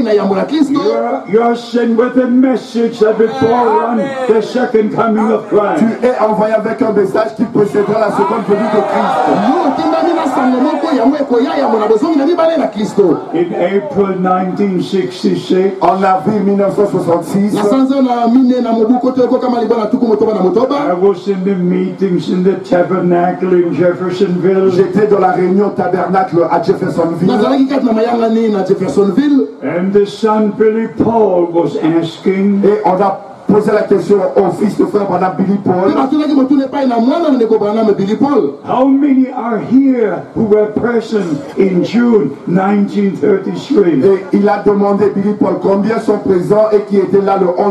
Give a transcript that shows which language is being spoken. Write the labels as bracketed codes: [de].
[en] You are sent with a message that before run the second coming of Christ. [fr] Tu es envoyé avec un message qui précédera la seconde venue de Christ. [en] In April 1966, I was in the meetings in the tabernacle in Jeffersonville. [fr] J'étais dans la réunion tabernacle à Jeffersonville. [en] And the son Billy Paul was asking. [fr] Et on a posé la question au fils de frère Branham Billy Paul. [en] How many are here who were present in June 1933? [fr] Et il a demandé Billy Paul combien sont présents et qui étaient là le